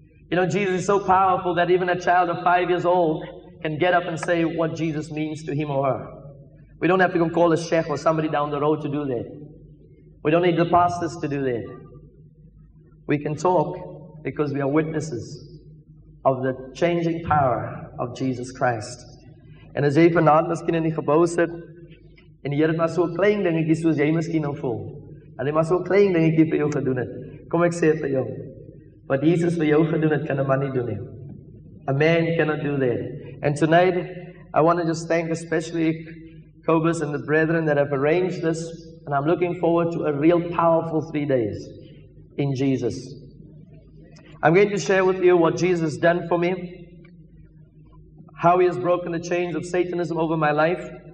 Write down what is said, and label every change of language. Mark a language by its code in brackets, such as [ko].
[en] You know, Jesus is so powerful that even a child of 5 years old can get up and say what Jesus means to him or her. We don't have to go call a sheikh or somebody down the road to do that. We don't need the pastors to do that. We can talk because we are witnesses of the changing power of Jesus Christ. [af] En as jy vanaand miskien in die gebou sit, en die Here het maar so 'n klein dingetjie soos jy miskien nou voel, en hy maar so 'n klein dingetjie vir jou gedoen het, kom ek sê vir jou, wat Jesus vir jou gedoen het, kan 'n man nie doen nie. [en] A man cannot do that. And tonight, I want to just thank especially Cobus and the brethren that have arranged this, and I'm looking forward to a real powerful 3 days in Jesus. I'm going to share with you what Jesus done for me, how he has broken the chains of Satanism over my life.